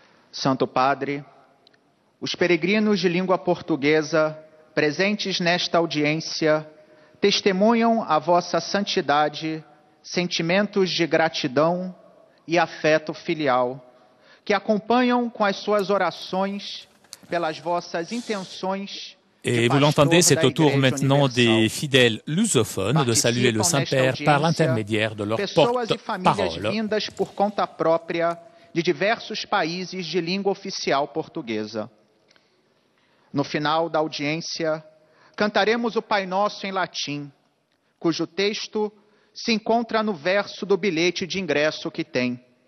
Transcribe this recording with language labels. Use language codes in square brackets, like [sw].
[pt] Santo Padre, os peregrinos de língua portuguesa presentes nesta audiência testemunham a vossa santidade, sentimentos de gratidão e afeto filial, que acompanham com as suas orações pelas vossas intenções. [fr] Et vous l'entendez, c'est au tour maintenant des fidèles lusophones de saluer le Saint-Père par l'intermédiaire de leur porte-parole. [pt] Vindas por conta própria de diversos países de língua oficial portuguesa. No final da audiência, cantaremos o Pai Nosso em latim, cujo texto se encontra no verso do bilhete de ingresso que tem.